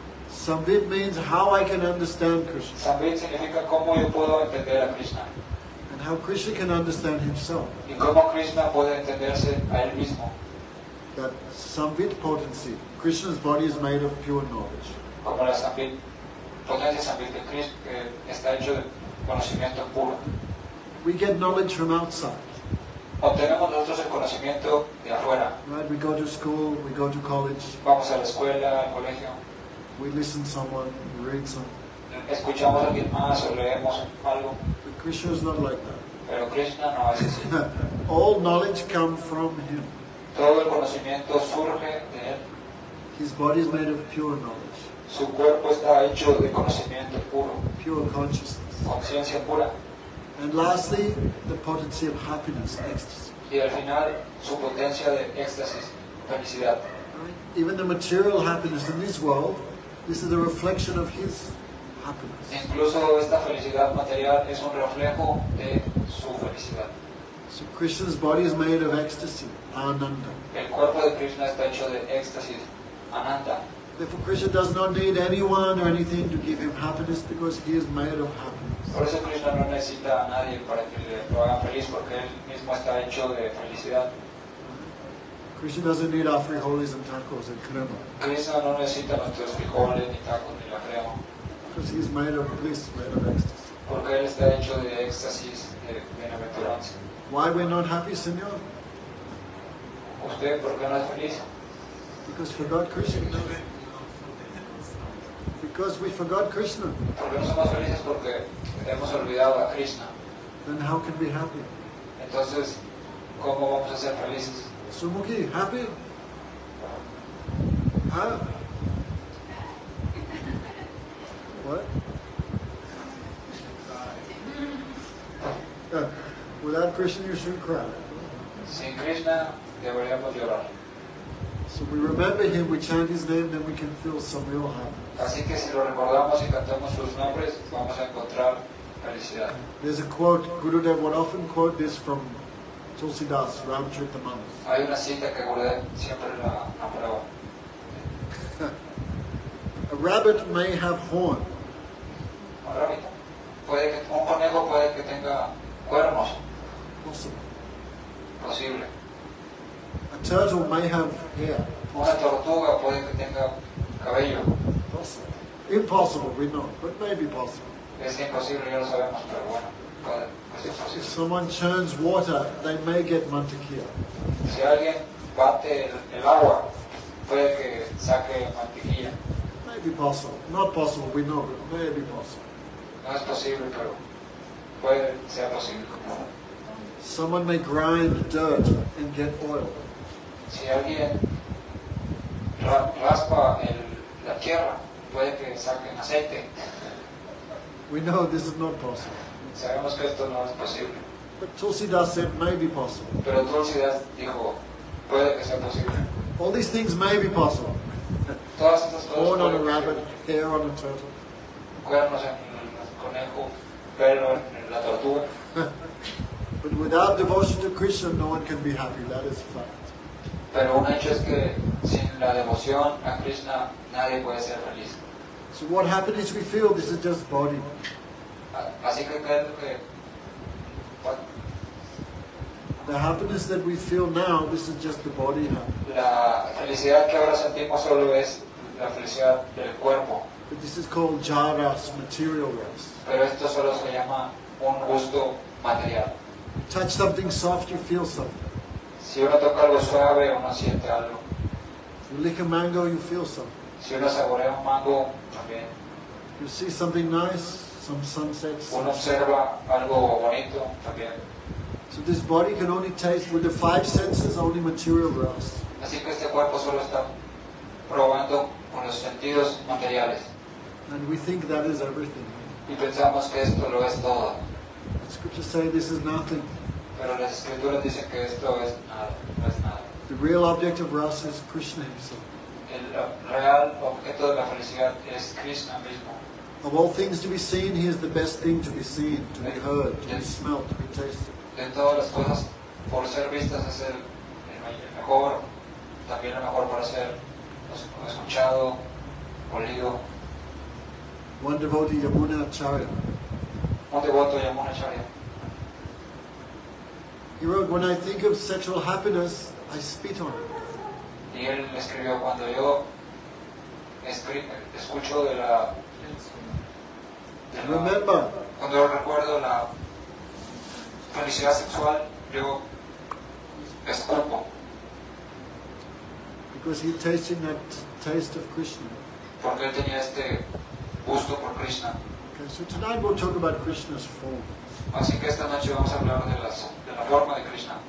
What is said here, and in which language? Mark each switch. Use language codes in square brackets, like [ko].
[en] Sambit means how I can understand Krishna. [es] Sambit significa cómo yo puedo entender a Krishna. [en] And how Krishna can understand himself. [es] Y cómo Krishna puede entenderse a él mismo. [en] That Sambit potency, Krishna's body is made of pure knowledge. [es] Como la Sambit, potencia Sambit de Krishna está hecho de conocimiento puro. [en] We get knowledge from outside. [es] Obtenemos nosotros el conocimiento de afuera. [en] Right, we go to school, we go to college. [es] Vamos a la escuela, al colegio. [en] We listen to someone, we read something. [es] Escuchamos a alguien más o leemos algo. [en] But Krishna is not like that. [es] Pero Krishna no es así. [en] All knowledge comes from him. [es] Todo el conocimiento surge de él. [en] His body is made of pure knowledge. [es] Su cuerpo está hecho de conocimiento puro. [en] Pure consciousness. [es] Conciencia pura. [en] And lastly, the potency of happiness, ecstasy. [es] Y al final, su potencia de éxtasis, felicidad. [en] Even the material happiness in this world, this is a reflection of his happiness. [es] Incluso esta felicidad material es un reflejo de su felicidad. [en] So Krishna's body is made of ecstasy, ananda. [es] El cuerpo de Krishna está hecho de éxtasis, ananda. [en] Therefore, Krishna does not need anyone or anything to give him happiness because he is made of happiness. [es] Por eso Krishna no necesita a nadie para que lo haga feliz porque él mismo está hecho de felicidad. [en] Krishna doesn't need our frijoles and tacos and crema. [es] Krishna no necesita nuestros frijoles ni tacos ni la crema. [en] Because he's made of bliss, made of ecstasy. [es] Porque él está hecho de éxtasis, de bienaventuranza. [en] Why we're not happy, señor? [es] ¿Usted por qué no es feliz? [en] Because for God, Krishna. Because we forgot Krishna. [es] Porque no somos felices porque hemos olvidado a Krishna. [en] Then how can we be happy? [es] Entonces, ¿cómo vamos a ser felices? [en] Sumuki, happy? Huh? What? Without Krishna, you shouldn't cry. [es] Sin Krishna, deberíamos llorar. [en] So we remember him, we chant his name, then we can feel some real happiness. [es] Así que si lo recordamos y cantamos sus nombres, vamos a encontrar felicidad. [en] There's a quote, Gurudev would often quote this from Tulsidas, Ramchaitamanas. [es] Hay una cita que Gurudev siempre la aprueba. [en] A rabbit may have horn. [es] Un rabbit. Puede que, un conejo puede que tenga cuernos. [en] Possible. [es] Posible. [en] A turtle may have hair. [es] Una tortuga puede que tenga cabello. [en] Possible. Impossible, we know, but maybe possible. [es] Es imposible, ya lo sabemos, pero bueno, puede ser posible. [en] If someone churns water, they may get mantequilla. [es] Si alguien bate el agua, puede que saque mantequilla. [en] Maybe possible. Not possible, we know, but maybe possible. [es] No es posible, pero puede ser posible. [en] Someone may grind dirt and get oil. [es] Si alguien raspa la tierra, puede que saquen aceite. [en] We know this is not possible. [es] Sabemos que esto no es posible. [en] But Tulsidas said may be possible. [es] Pero Tulsidas dijo, puede que sea posible. [en] All these things may be possible. [es] Todas estas cosas. [en] Horn on a rabbit, hair on a turtle. [es] Cuernos en el conejo, pelo en la tortuga. [en] But without devotion to Krishna, no one can be happy. That is a fact. [es] Pero sin Pero un hecho es que sin la devoción a Krishna nadie puede ser feliz. [en] So what happens is we feel this is just body. [es] Así que qué es lo que [en] the happiness that we feel now, this is just the body happiness. [es] La felicidad que ahora sentimos solo es la felicidad del cuerpo. [en] But this is called jaras, material rest. [es] Pero esto solo se llama un gusto material. [en] Touch something soft, you feel something. [es] Si uno toca algo suave, uno siente algo. [en] You lick a mango, you feel something. [es] Si uno saborea un mango, también. [en] You see something nice, some sunsets. [es] Uno observa algo bonito, también. [en] So this body can only taste with the five senses, only material realms. [es] Así que este cuerpo solo está probando con los sentidos materiales. [en] And we think that is everything. [es] Y pensamos que esto lo es todo. [en] The scriptures say this is nothing. [es] Pero las escrituras dicen que esto es nada, no es nada. [en] The real object of rasa is Krishna himself. [es] El real objeto de la felicidad es Krishna mismo. [en] Of all things to be seen, he is the best thing to be seen, to be heard, to be smelled, to be tasted. [es] De todas las cosas, por ser vistas es el mejor, también el mejor para ser escuchado, olido. [en] One devotee, Yamuna Acharya. [es] Un devoto, Yamuna Acharya. [en] He wrote, when I think of sexual happiness, I spit on it. [es] Y él escribió, cuando yo escucho de la... De la remember. Cuando yo recuerdo la... Felicidad sexual, yo escupo. [en] Because he tasting that taste of Krishna. [es] Porque él tenía este gusto por Krishna. [en] Okay, so tonight we'll talk about Krishna's form. [es] Así que esta noche vamos a hablar de la forma de Krishna.